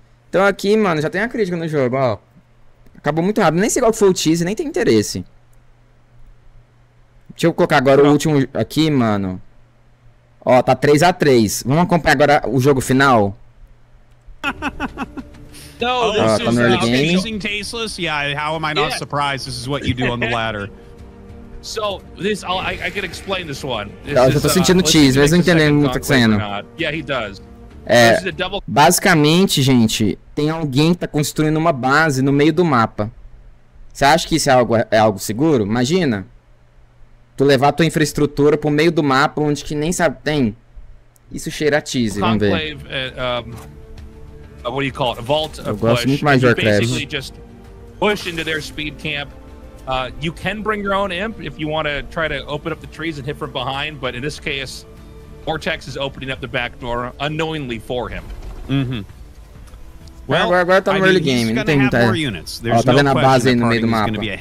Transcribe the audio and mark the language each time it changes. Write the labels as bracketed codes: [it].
[pt] Então aqui, mano, já tem a crítica no jogo, ó. Acabou muito rápido. Nem sei qual foi o teaser, nem tem interesse. Deixa eu colocar agora o último aqui, mano. Ó, tá 3x3. Vamos acompanhar agora o jogo final? Não, tá no early game. Tasteless? [en] Yeah, how am I not surprised? This is what you do on the ladder. So, this, I can explain this one. [pt] Eu já tô sentindo teaser, mas não entendendo o que tá acontecendo. [en] Yeah, he does. [pt] É, basicamente, gente, tem alguém que tá construindo uma base no meio do mapa. Você acha que isso é algo seguro? Imagina. Tu levar tua infraestrutura pro meio do mapa onde que nem sabe tem. Isso cheira a tease, vamos ver. [en] What do you call it? Vault of push. [pt] Eu gosto muito mais de Warcraft. [en] Basically just push into their speed camp. You can bring your own imp if you want to try to open up the trees and hit from behind, but in this case Vortex is opening up the back door unknowingly for him. Mm-hmm. [pt] Agora tá no early game, não tem muita... Ó, tá vendo a base aí no meio do mapa.